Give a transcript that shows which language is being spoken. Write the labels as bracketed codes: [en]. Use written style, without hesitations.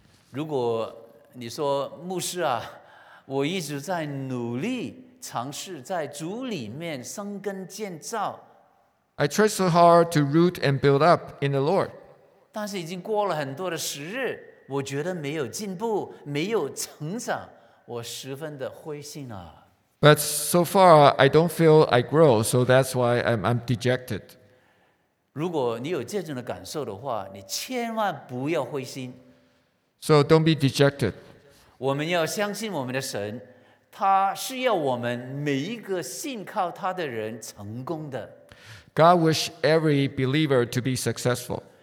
[zh] 如果你说牧师啊，我一直在努力尝试在主里面生根建造。 [en] I try so hard to root and build up in the Lord. [zh] 但是已经过了很多的时日，我觉得没有进步，没有成长，我十分的灰心啊。 [en] But so far, I don't feel I grow, so that's why I'm dejected. [zh] 如果你有这种的感受的话，你千万不要灰心。 [en] So don't be dejected. [zh] 我们要相信我们的神，他是要我们每一个信靠他的人成功的。 [en] God wish every believer to be successful.